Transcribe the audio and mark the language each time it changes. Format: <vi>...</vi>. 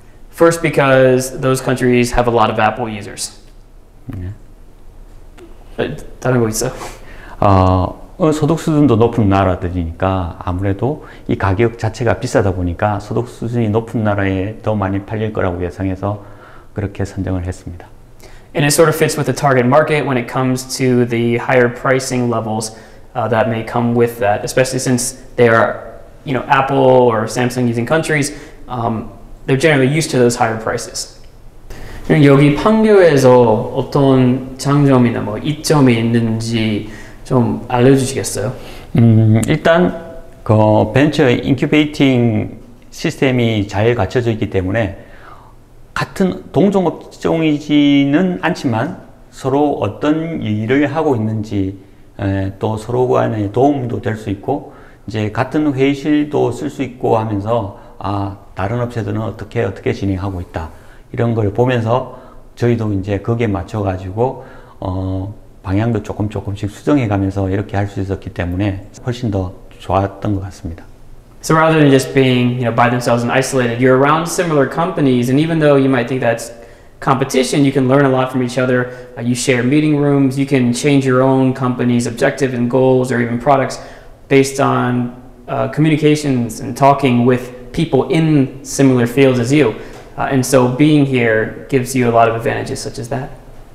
<en>First because those countries have a lot of Apple users.</en> <ko>네. 다른 거 있어? 소득 수준도 높은 나라들이니까 아무래도 이 가격 자체가 비싸다 보니까 소득 수준이 높은 나라에 더 많이 팔릴 거라고 예상해서 그렇게 선정을 했습니다.</ko> <en>And it sort of fits with the target market when it comes to the higher pricing levels that may come with that, especially since they are, you know, Apple or Samsung using countries, they're generally used to those higher prices.</en> <ko>여기 판교에서 어떤 장점이나 뭐 이점이 있는지 좀 알려주시겠어요? 일단 그 벤처 인큐베이팅 시스템이 잘 갖춰져 있기 때문에 같은 동종업종이지는 않지만 서로 어떤 일을 하고 있는지 또 서로 간의 도움도 될 수 있고, 이제 같은 회의실도 쓸 수 있고 하면서 다른 업체들은 어떻게 진행하고 있다, 이런 걸 보면서 저희도 이제 거기에 맞춰 가지고 방향도 조금씩 수정해 가면서 이렇게 할 수 있었기 때문에 훨씬 더 좋았던 것 같습니다.</ko> <en>So rather than just being, you know, by themselves and isolated, you're around similar companies, and even though you might think that's competition, you can learn a lot from each other. You share meeting rooms, you can change your own company's objective and goals or even products based on communications and talking with people in similar fields as you. And so being here gives you a lot of advantages such as that.</en>